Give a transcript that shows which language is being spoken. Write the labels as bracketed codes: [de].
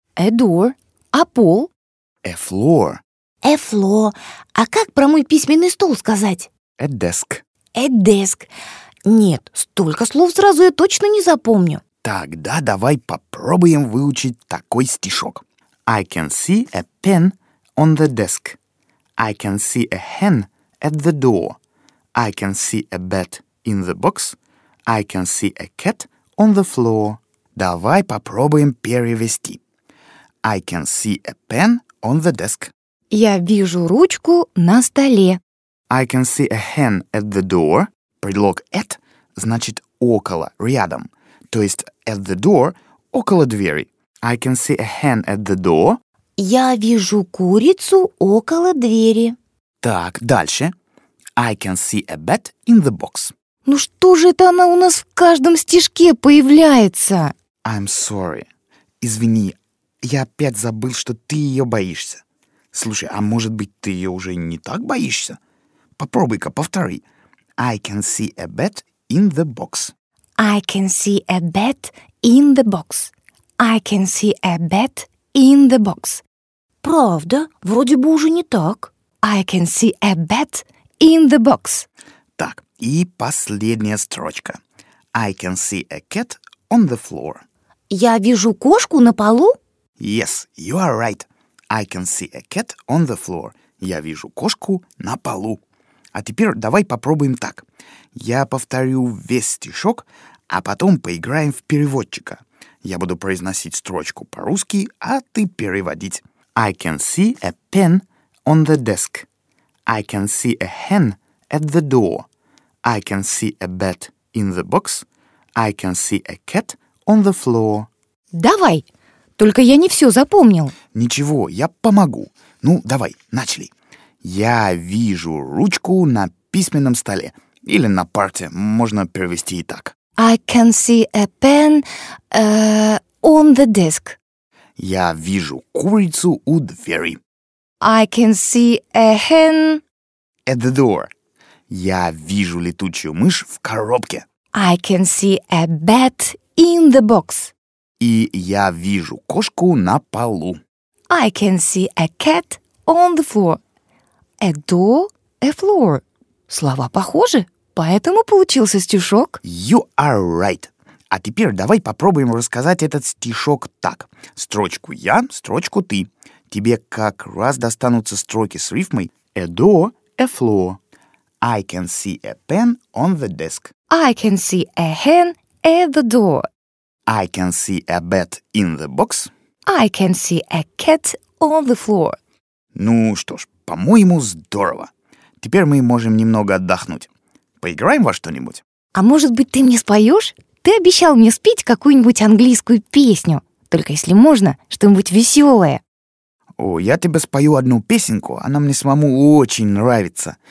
[en] A door. [ru] А пол? [en] A floor. A floor. [ru] А как про мой письменный стол сказать? [en] A desk. A desk. [ru] Нет, столько слов сразу я точно не запомню. Тогда давай попробуем выучить такой стишок. [en] I can see a pen on the desk. I can see a hen at the door. I can see a bat in the box. I can see a cat on the floor. [ru] Давай попробуем перевести. [en] I can see a pen on the desk. [ru] Я вижу ручку на столе. [en] I can see a hen at the door. [ru] Предлог at значит около, рядом. То есть [en] at the door, [ru] около двери. [en] I can see a hen at the door. [ru] Я вижу курицу около двери. Так, дальше. [en] I can see a bat in the box. [ru] Ну что же это она у нас в каждом стишке появляется? [en] I'm sorry. [ru] Извини, я опять забыл, что ты ее боишься. Слушай, а может быть ты ее уже не так боишься? Попробуй-ка, повтори. [en] I can see a bat in the box. I can see a bat in the box. I can see a bat in the box. [ru] Правда, вроде бы уже не так. [en] I can see a bat in the box. [ru] Так, и последняя строчка. [en] I can see a cat on the floor. [ru] Я вижу кошку на полу? [en] Yes, you are right. I can see a cat on the floor. [ru] Я вижу кошку на полу. А теперь давай попробуем так. Я повторю весь стишок, а потом поиграем в переводчика. Я буду произносить строчку по-русски, а ты переводить. [en] I can see a pen on the desk. I can see a hen at the door. I can see a bat in the box. I can see a cat on the floor. [ru] Давай! Только я не все запомнил. Ничего, я помогу. Ну, давай, начали. Я вижу ручку на письменном столе. Или на парте, можно перевести и так. [en] I can see a pen on the desk. [ru] Я вижу курицу у двери. [en] I can see a hen at the door. [ru] Я вижу летучую мышь в коробке. [en] I can see a bat in the box. [ru] И я вижу кошку на полу. [en] I can see a cat on the floor. A door, a floor. [ru] Слова похожи. Поэтому получился стишок. [en] You are right. [ru] А теперь давай попробуем рассказать этот стишок так. Строчку я, строчку ты. Тебе как раз достанутся строки с рифмой [en] a door, a floor. I can see a pen on the desk. I can see a hen at the door. I can see a bat in the box. I can see a cat on the floor. [ru] Ну что ж, по-моему, здорово. Теперь мы можем немного отдохнуть. Поиграем во что-нибудь? А может быть, ты мне споешь? Ты обещал мне спеть какую-нибудь английскую песню. Только если можно, что-нибудь веселое. О, я тебе спою одну песенку, она мне самому очень нравится.